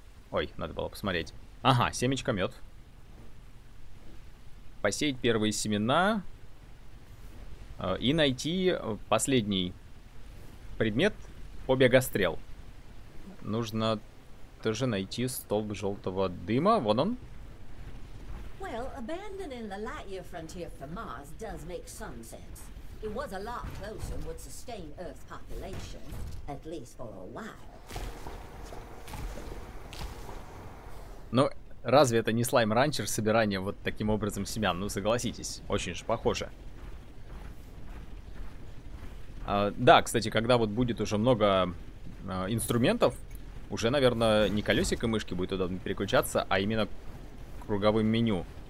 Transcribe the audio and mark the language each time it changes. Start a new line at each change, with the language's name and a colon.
Russian: Ой, надо было посмотреть. Ага, семечко мед. Посеять первые семена. И найти последний предмет побегострел. Нужно тоже найти столб желтого дыма. Вон он.
English: Well, abandoning the Lightyear frontier for Mars does make some sense. It was a lot closer and would sustain Earth's population, at least for a while.
Russian: Ну, разве это не слайм-ранчер, собирание вот таким образом семян? Ну, согласитесь, очень же похоже. Да, кстати, когда вот будет уже много инструментов, уже, наверное, не колесико мышки будет удобно переключаться, а именно круговым меню.